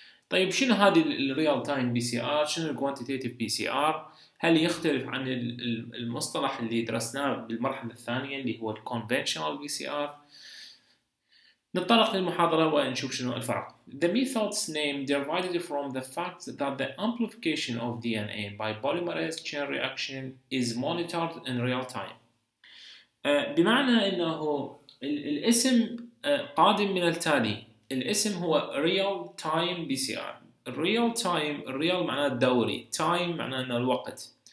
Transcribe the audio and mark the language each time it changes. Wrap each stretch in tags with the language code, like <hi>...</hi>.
<ar>طيب شنو هذه الـ Real Time PCR؟ شنو الـ Quantitative PCR؟ هل يختلف عن المصطلح اللي درسناه بالمرحلة الثانية اللي هو الـ Conventional PCR؟ نتطرق للمحاضرة ونشوف شنو الفرق.</ar> <en>The method's name derived from the fact that the amplification of DNA by polymerase chain reaction is monitored in real time.</en> <ar>بمعنى انه الاسم قادم من التالي، الاسم هو real time PCR. real time، real معناه دوري، time معناه انه الوقت.</ar>